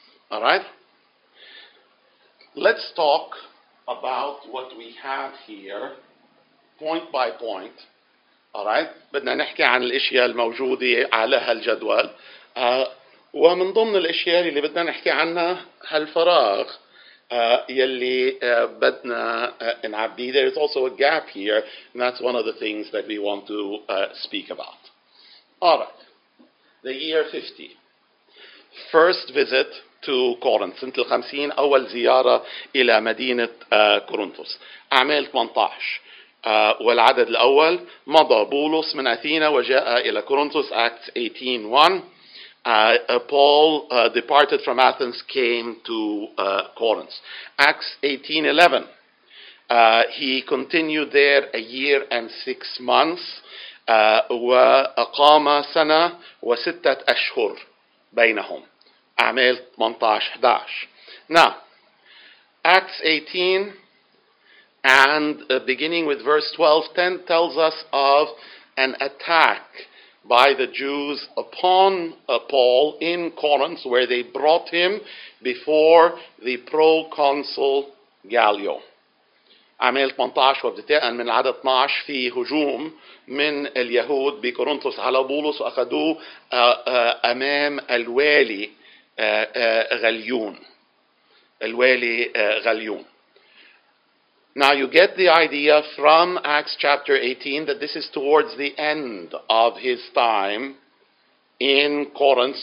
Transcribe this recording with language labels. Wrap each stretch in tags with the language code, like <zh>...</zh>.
<en>All right? Let's talk about what we have here, point by point. All right?</en> <ar>بدنا نحكي عن الأشياء الموجودة على هالجدول. ومن ضمن الأشياء اللي بدنا نحكي عنها هالفراغ يلي بدنا نعبيه.</ar> <en>There is also a gap here, and that's one of the things that we want to speak about. All right. The year 50. First visit to Corinth.</en> <ar>سنة 50 أول زيارة إلى مدينة كورنثوس. أعمال 18. والعدد الأول, مضى بولس من أثينا وجاء إلى كورنثوس.</ar> <en>Acts 18:1. Paul departed from Athens, came to Corinth. Acts 18:11. He continued there a year and 6 months.</en> <ar>وأقام سنة وستة أشهر بينهم. أعمال 18:11.</ar> <en>Now, Acts 18, and beginning with verse 12:10, tells us of an attack by the Jews upon Paul in Corinth, where they brought him before the proconsul Gallio.</en> <ar>أعمال 18 وابتداء من العدد 12, في هجوم من اليهود بكورنثوس على بولس وأخذوه أمام الوالي غليون. الوالي غليون.</ar> <en>Now you get the idea from Acts chapter 18 that this is towards the end of his time in Corinth.</en>